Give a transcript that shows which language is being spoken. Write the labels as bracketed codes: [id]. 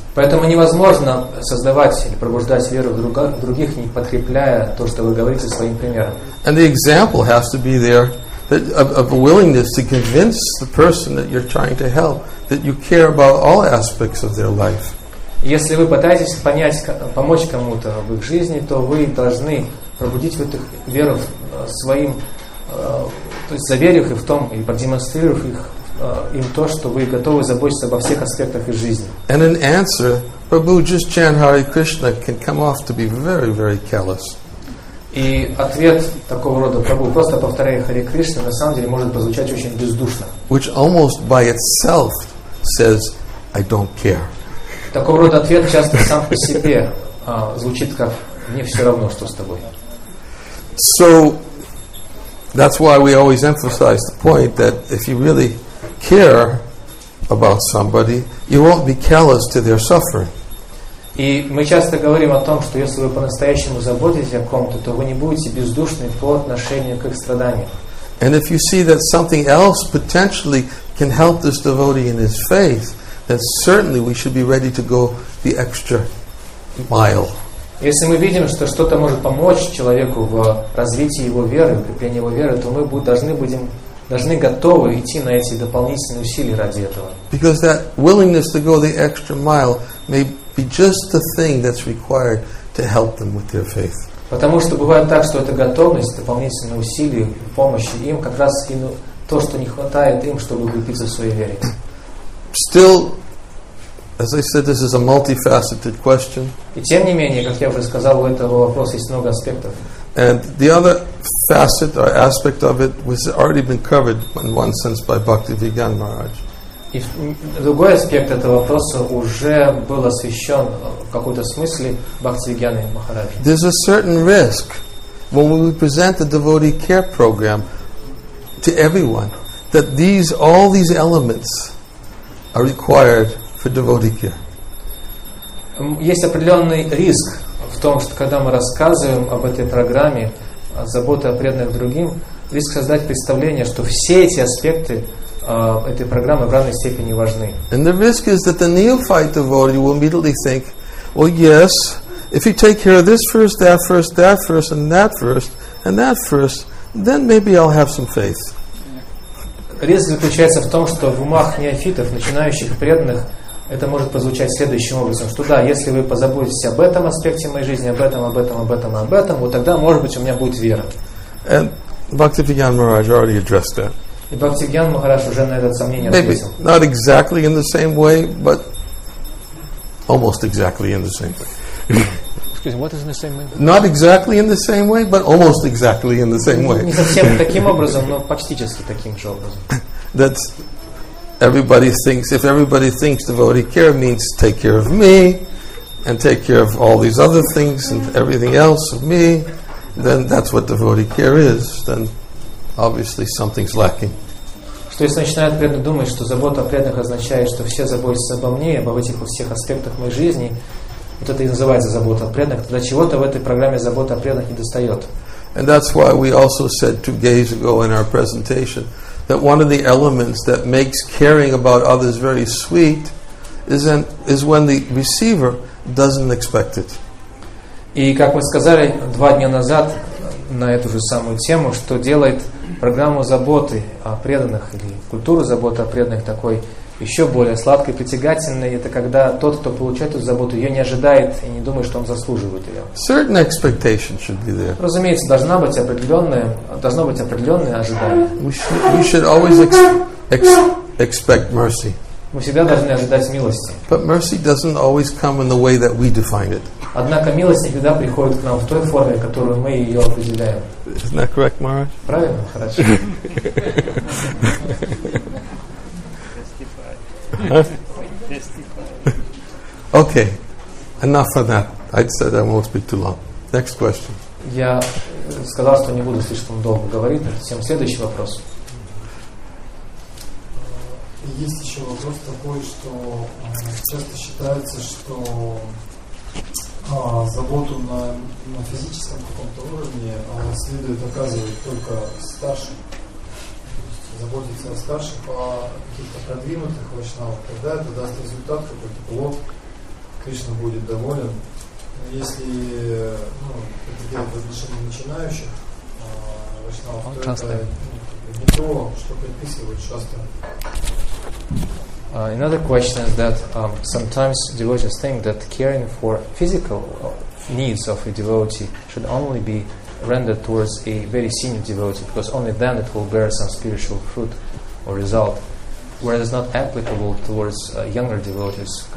[ru] Поэтому невозможно создавать или пробуждать веру в других, не подкрепляя то, что вы говорите своим примером. [en] And the example has to be there that of a willingness to convince the person that you're trying to help that you care about all aspects of their life. [ru] Если вы пытаетесь понять, помочь кому-то в их жизни, то вы должны пробудить в этих веру своим, то есть заверив их в том и продемонстрировав их им то, что вы готовы заботиться обо всех аспектах их жизни. [en] And in answer, Prabhu just chant Hare Krishna can come off to be very, very callous. [ru] И ответ такого рода Прабху, просто повторяя Хари Кришна, на самом деле может прозвучать очень бездушно. [en] Which almost by itself says, I don't care. [ru] Такого рода ответ часто сам по себе звучит как мне все равно, что с тобой. [en] So that's why we always emphasize the point that if you really care about somebody, you won't be callous to their suffering. [ru] И мы часто говорим о том, что если вы по-настоящему заботитесь о ком-то, то вы не будете бездушны по отношению к их страданиям. [en] And if you see that something else potentially can help this devotee in his faith, then certainly we should be ready to go the extra mile. [ru] Если мы видим, что что-то может помочь человеку в развитии его веры, укреплении его веры, то мы должны готовы идти на эти дополнительные усилия ради этого. [en] Because that willingness to go the extra mile may be just the thing that's required to help them with their faith. [ru] Потому что бывает так, что эта готовность, дополнительные усилия, помощи им как раз и то, что не хватает им, чтобы укрепиться в своей вере. [en] Still, as I said, this is a multifaceted question. [ru] И тем не менее, как я уже сказал, у этого вопроса есть много аспектов. [en] And the other facet or aspect of it was already been covered in one sense by Bhaktivedanta Maharaj. [ru] И другой аспект этого вопроса уже был освещен в каком-то смысле Бхактивиданой Махарадж. [en] There's a certain risk when we present the devotee care program to everyone that all these elements are required for devotee care. [ru] Есть определенный риск в том, что когда мы рассказываем об этой программе заботы о преданных другим, риск создать представление, что все эти аспекты этой программы в равной степени важны. [en] And the risk is that the neophyte devotee will immediately think, well, yes, if you take care of this first, that first, that first, and that first, and that first, then maybe I'll have some faith. [ru] Риск заключается в том, что в умах неофитов, начинающих преданных, это может прозвучать следующим образом, что да, если вы позаботитесь об этом аспекте моей жизни, об этом, об этом, об этом, об этом, вот тогда, может быть, у меня будет вера. [en] And Bhaktivedanta Maharaj already addressed that. [ru] И Бхактивиданта Махарадж уже на это сомнение [en] Maybe, [ru] ответил. [en] Maybe not exactly in the same way, but almost exactly in the same way. Excuse me, what is in the same way? Not exactly in the same way, but almost exactly in the same way. [ru] Не совсем таким образом, но почтически таким же образом. [en] That's everybody thinks, if everybody thinks devotee care means take care of me, and take care of all these other things, and everything else of me, then that's what devotee care is, then obviously something's lacking. [ru] Что если начинают преданные думать, что забота о преданных означает, что все заботятся обо мне, обо этих всех аспектах моей жизни, вот это и называется забота о преданных, тогда чего-то в этой программе забота о преданных недостает. [en] And that's why we also said 2 days ago in our presentation that one of the elements that makes caring about others very sweet is when the receiver doesn't expect it. [ru] И как мы сказали 2 дня назад на эту же самую тему, что делает программу заботы о преданных или культуру заботы о преданных такой еще более сладкой, притягательной, это когда тот, кто получает эту заботу, ее не ожидает и не думает, что он заслуживает ее. [en] Certain expectation should be there. [ru] Разумеется, должно быть определенное ожидание. [en] We should always expect mercy. [ru] Мы всегда должны ожидать милости. [en] But mercy doesn't always come in the way that we define it. [ru] Однако милость всегда приходит к нам в той форме, которую мы ее определяем. [en] Isn't that correct, Maharaj? [ru] Правильно, хорошо. Huh? [en] Okay, enough of that. I said I won't speak too long. Next question. [ru] Я сказал, что не буду слишком долго говорить. Всем следующий вопрос. Есть еще вопрос такой, что часто считается, что заботу на физическом каком-то уровне следует оказывать только старшим. Заботиться о старших, о каких-то продвинутых вайшнавах, тогда это даст результат, какой-то плод, Кришна будет доволен. Если это делать в отношении начинающих вайшнавов, то это не то, что предписывает шастра. [en] Another question is that sometimes devotees think that caring for physical needs of a devotee should only be rendered towards a very senior devotee, because only then it will bear some spiritual fruit or result, whereas it's not applicable towards younger devotees.